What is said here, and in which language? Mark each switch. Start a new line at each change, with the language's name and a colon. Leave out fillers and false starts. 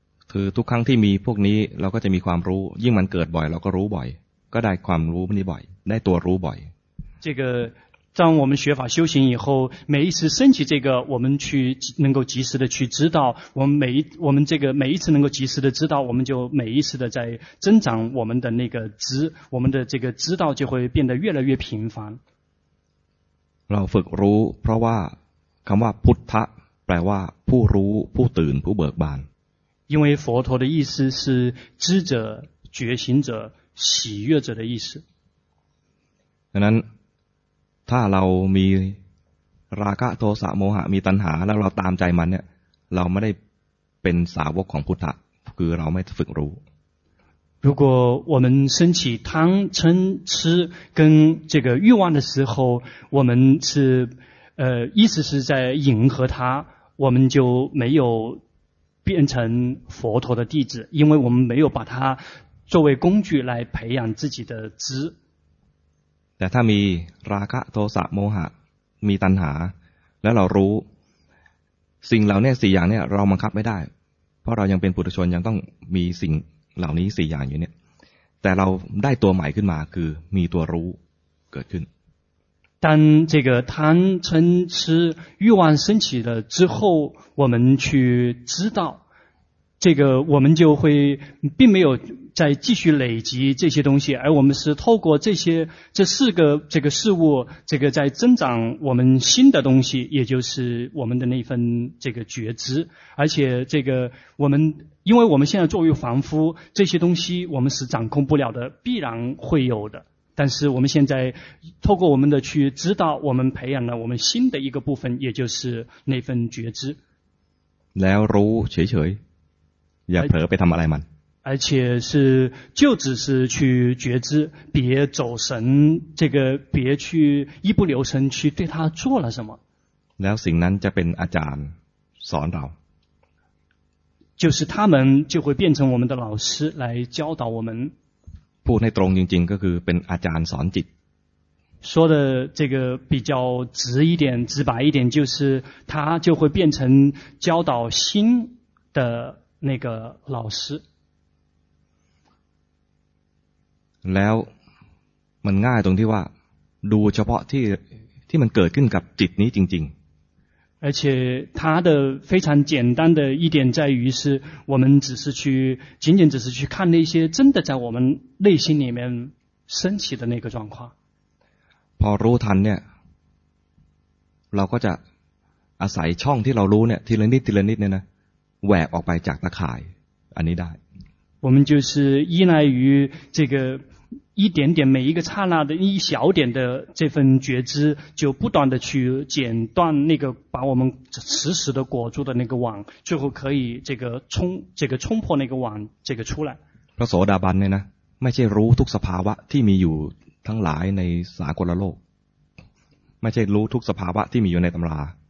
Thai: คือทุกครั้งที่มีพวกนี้เราก็จะมีความรู้ยิ่งมันเกิดบ่อยเราก็รู้บ่อยก็ได้ความรู้นี้บ่อยได้ตัวรู้บ่อย
Chinese: 这个当我们学法修行以后每一次升起这个我们去能够及时的去知道我们这个每一次能够及时的知道我们就每一次的在增长我们的那个知我们的这个知道就会变得越来越频繁
Thai: เราฝึกรู้เพราะว่าคำว่าพุทธะแปลว่าผู้รู้ผู้ตื่นผู้เบิกบาน
Chinese: 因为佛陀的意思是知者觉醒者喜悦者的意思
Thai: ดังนั้นถ้าเรามีราคะโทสะโมหะมีตัณหาแล้วเราตามใจมันเนี่ยเราไม่ได้เป็นสาวกของพุทธะคือเราไม่ฝึกรู้
Chinese: 如果我们升起贪嗔痴跟这个欲望的时候，我们是意思是在迎合他，我们就没有变成佛陀的弟子，因为我们没有把它作为工具来培养自己的知。
Thai: แต่ถ้ามีราคะโทสะโมหะมีตัณหาแล้วเรารู้สิ่งเหล่านี้สี่อย่างเนี่ยเราบังคับไม่ได้เพราะเรายังเป็นปุถุชนยังต้องมีสิ่งเหล่านี้สี่อย่างอยู่เนี่ยแต่เราได้ตัวใหม่ขึ้นมาคือมีตัวรู้เกิดขึ้น
Chinese: 当这个贪嗔痴欲望升起了之后，我们去知道这个，我们就会并没有再继续累积这些东西，而我们是透过这些这四个这个事物，这个在增长我们新的东西，也就是我们的那份这个觉知。而且这个我们，因为我们现在作为凡夫，这些东西我们是掌控不了的，必然会有的。但是我们现在透过我们的去知道，我们培养了我们新的一个部分，也就是那份觉知。
Thai: แล้วรู้เฉยเฉย，อย่าเผลอไปทำอะไรมัน。
Chinese: 而且是就只是去觉知，别走神，这个别去一不留神去对他做了什么。
Thai: แล้วสิ่งนั้นจะเป็นอาจารย์สอนเรา。
Chinese: 就是他们就会变成我们的老师来教导我们。
Thai: พูดให้ตรงจริงๆก็คือเป็นอาจารย์สอนจิต
Chinese: 说的这个比较直一点直白一点就是他就会变成教导心的那个老师
Thai: แล้วมันง่ายตรงที่ว่าดูเฉพาะที่มันเกิดขึ้นกับจิตนี้จริง
Chinese: ๆ而且他的非常简单的一点在于是我们只是去仅仅只是去看那些真的在我们内心里面升起的那个状况
Thai: พอรู้ทันเนี่ยเราก็จะอาศัยช่องที่เรารู้เนี่ยทีละนิดทีละนิดเนี่ยนะแหวกออกไปจากตะข่ายอันนี้ได้
Chinese: 我们就是依赖于这个一点点每一个刹那的一小点的这份觉知就不断的去剪断那个把我们死死的裹住的那个网最后可以这个冲破那个网这个出来
Thai: พระโสดาบันเนี่ยนะไม่ใช่รู้ทุกสภาวะที่มีอยู่ทั้งหลายในสากลโลกไม่ใช่รู้ทุกสภาวะที่มีอยู่ในตำรา